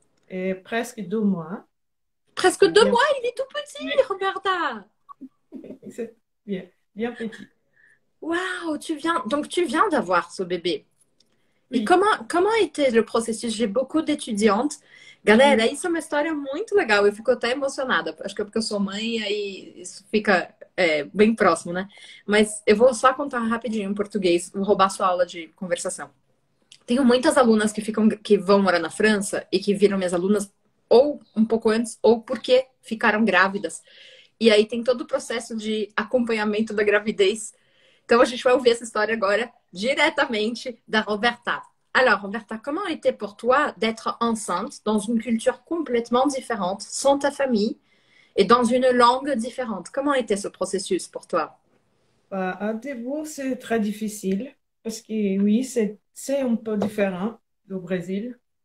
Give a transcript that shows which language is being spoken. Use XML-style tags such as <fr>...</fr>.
<fr>Et presque 2 mois. Presque 2 mois, Bien. il est tout petit, Oui. Roberta. C'est bien. Bien petit. Waouh, tu viens d'avoir ce bébé. Et Oui. comment était le processus? J'ai beaucoup d'étudiantes.</fr> <pt>Galera, isso é uma história muito legal. Eu fico até emocionada. Acho que é porque eu sou mãe, aí isso fica bem próximo, né? Mas eu vou só contar rapidinho em português, vou roubar sua aula de conversação. Tenho muitas alunas que vão morar na França e que viram minhas alunas ou um pouco antes ou porque ficaram grávidas. E aí tem todo o processo de acompanhamento da gravidez. Então a gente vai ouvir essa história agora diretamente da Roberta.</pt> <fr>Alors, Roberta, comment était pour toi d'être enceinte dans une culture complètement différente, sans ta famille et dans une langue différente? Comment était ce processus pour toi? Un début, c'est très difficile parce que oui, c'est un peu différent du Brésil.</fr>